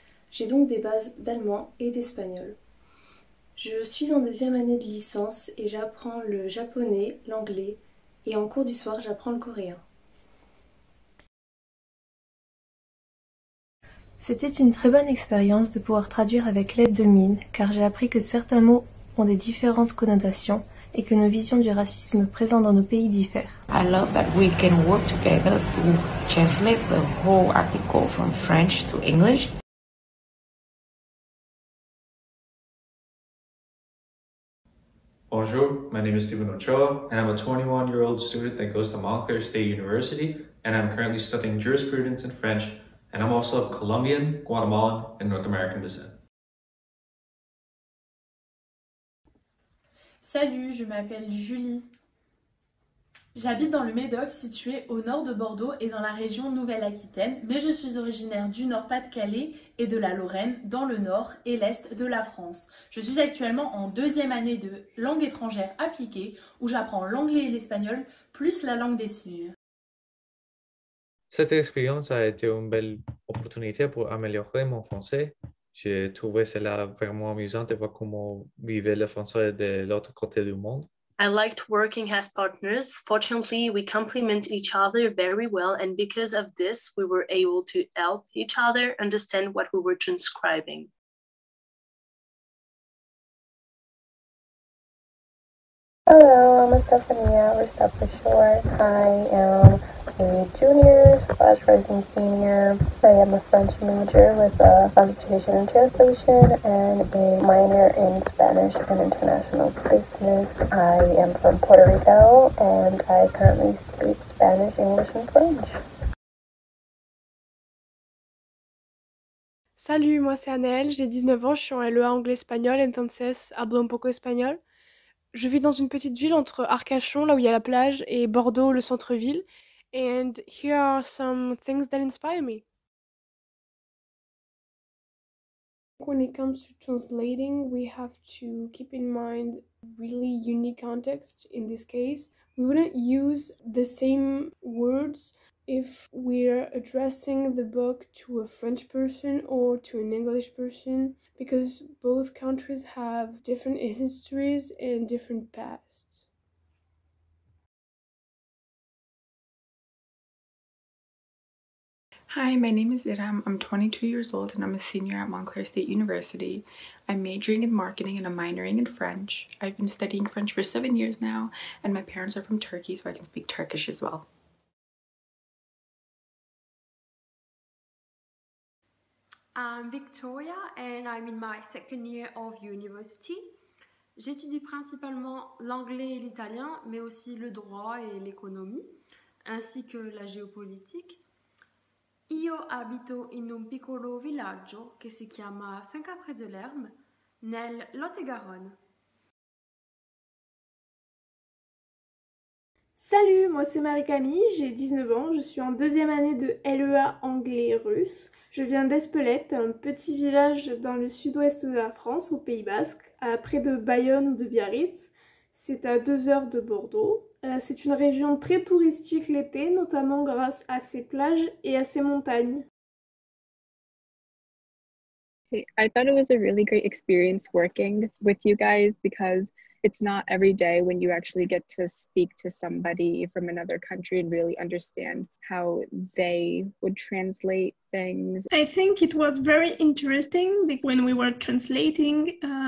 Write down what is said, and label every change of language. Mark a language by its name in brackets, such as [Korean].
[French] J'ai donc des bases d'allemand et d'espagnol. Je suis en deuxième année de licence et j'apprends le japonais, l'anglais et en cours du soir j'apprends le coréen. C'était une très bonne expérience de pouvoir traduire avec l'aide de Mine car j'ai appris que certains mots ont des différentes connotations et que nos visions du racisme présent dans nos pays diffèrent. [English] I love that we can work together to translate the whole article from French to English. Bonjour, my name is Steven Ochoa, and I'm a 21-year-old student that goes to Montclair State University, and I'm currently studying jurisprudence in French, and I'm also of Colombian, Guatemalan, and North American descent. [French] Salut, je m'appelle Julie. J'habite dans le Médoc, situé au nord de Bordeaux et dans la région Nouvelle-Aquitaine, mais je suis originaire du Nord-Pas-de-Calais et de la Lorraine, dans le nord et l'est de la France. Je suis actuellement en deuxième année de langue étrangère appliquée, où j'apprends l'anglais et l'espagnol, plus la langue des signes. Cette expérience a été une belle opportunité pour améliorer mon français. J'ai trouvé cela vraiment amusant de voir comment vivait le français de l'autre côté du monde. [English] I liked working as partners. Fortunately, we complement each other very well, and because of this, we were able to help each other understand what we were transcribing. Hello, I'm Estefania, we're Steph for short. I am a junior / rising senior. I am a French major with a concentration in translation and a minor in Spanish and international business. I am from Puerto Rico and I currently speak Spanish, English, and French. [French] Salut, moi c'est Anaëlle, j'ai 19 ans, je suis en LEA anglais-espagnol, [Spanish] entonces hablo un poco [French] espagnol. Je vis dans une petite ville entre Arcachon, là où il y a la plage, et Bordeaux, le centre-ville. [English] And here are some things that inspire me. When it comes to translating, we have to keep in mind really unique context in this case. We wouldn't use the same words if we're addressing the book to a French person or to an English person, because both countries have different histories and different pasts. Hi, my name is Iram. I'm 22 years old and I'm a senior at Montclair State University. I'm majoring in marketing and I'm minoring in French. I've been studying French for 7 years now and my parents are from Turkey, so I can speak Turkish as well. I'm Victoria and I'm in my second year of university. [French] J'étudie principalement l'anglais et l'italien, mais aussi le droit et l'économie, ainsi que la géopolitique. [Italian] Io abito in un piccolo villaggio che si chiama Saint-Capré-de-l'Erme, nel Lot-et-Garonne. [French] Salut, moi c'est Marie-Camille, j'ai 19 ans, je suis en deuxième année de LEA anglais-russe. Je viens d'Espelette, un petit village dans le sud-ouest de la France, au Pays Basque, à près de Bayonne ou de Biarritz. C'est à 2 heures de Bordeaux. C'est une région très touristique l'été, notamment grâce à ses plages et à ses montagnes. [English] I thought it was a really great experience working with you guys because it's not every day when you actually get to speak to somebody from another country and really understand how they would translate things. I think it was very interesting when we were translating.